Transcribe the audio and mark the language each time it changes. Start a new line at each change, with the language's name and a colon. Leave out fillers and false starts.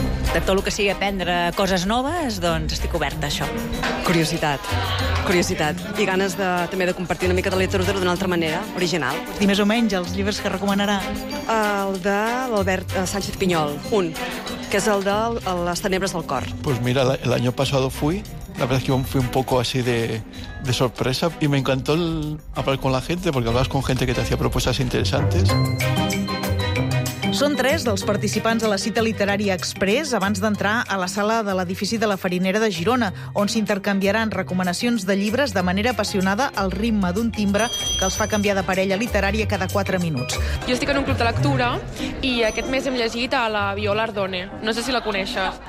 Catalan: De tot el que sigui aprendre coses noves, doncs estic oberta a això. Curiositat. I ganes de, també de compartir una mica de literatura d'una altra manera, original. I més o menys els llibres que recomanarà? El de l'Albert Sánchez Piñol, un, que és el de Les tenebres del cor.
Spanish: Pues mira,
Catalan: l'any passat
Spanish: fui, la verdad es que fui un poco así de sorpresa y me encantó el hablar con la gente porque hablabas con gente que te hacía propuestas interesantes.
Catalan: Són tres dels participants a la cita literària express abans d'entrar a la sala de l'edifici de la Farinera de Girona, on s'intercanviaran recomanacions de llibres de manera apassionada al ritme d'un timbre que els fa canviar de parella literària cada 4 minuts. Jo estic en un club de lectura i aquest mes hem llegit a la Viola Ardone. No sé si la coneixes.